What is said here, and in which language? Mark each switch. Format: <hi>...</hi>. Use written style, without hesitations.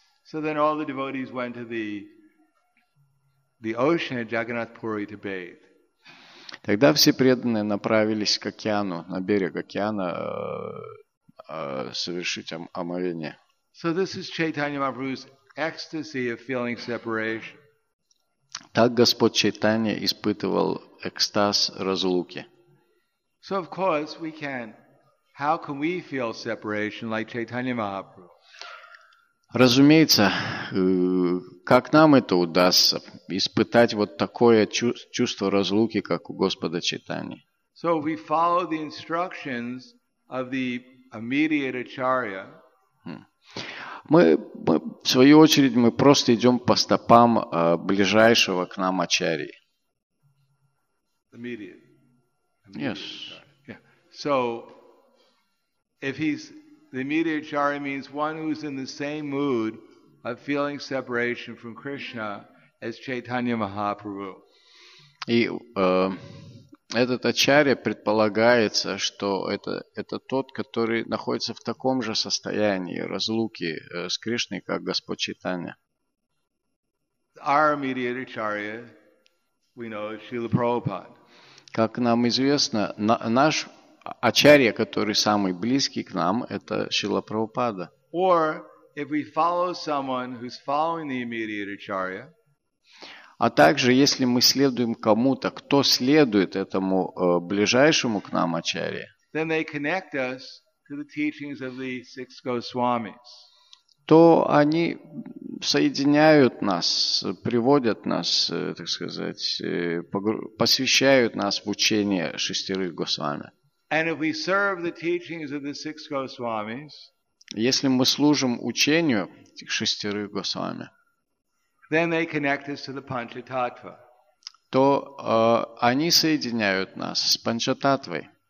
<en>So then all the devotees went to the ocean at Jagannath Puri to bathe.</en> <ru>Тогда все преданные направились к океану, на берег океана, совершить омовение.</ru> <en>So this is Chaitanya Mahaprabhu's ecstasy of feeling separation.</en> <ru>Так Господь Чайтанья испытывал экстаз разлуки.</ru> <en>So of course we can. How can we feel separation like Chaitanya Mahaprabhu?</en> <ru>Разумеется, как нам это удастся, испытать вот такое чувство разлуки, как у Господа Чайтаньи?</ru> <en>So we follow the instructions of the immediate Acharya.</en> <ru>Мы в свою очередь, мы просто идем по стопам ближайшего к нам Ачарьи.</ru> <en>Immediate. Yes. Yeah. So, if he's The Mediacharya means one who is in the same mood of feeling separation from Krishna as Chaitanya Mahaprabhu.</en> <ru>И этот ачарья предполагается, что это тот, который находится в таком же состоянии разлуки с Кришной, как Господь Чайтанья.</ru> <en>Our immediate ачарья, we know, is Śrīla Prabhupāda.</en> <ru>Как нам известно, наш ачарья, который самый близкий к нам, это Śrīla Prabhupāda.</ru> <en>Or if we follow someone who's following the immediate ачарья.</en> <ru>А также, если мы следуем кому-то, кто следует этому ближайшему к нам ачарье,</ru> <en>then they connect us to the teachings of the six Goswamis.</en> <ru>То они соединяют нас, приводят нас, так сказать, посвящают нас в учение шестерых Госвами.</ru> <en>And if we serve the teachings of the six Goswamis,</en> <ru>если мы служим учению этих шестерых Госвами,</ru> <en>then they connect us to the Panchatattva.</en> <ru>То они соединяют нас с Панчататвой.</ru>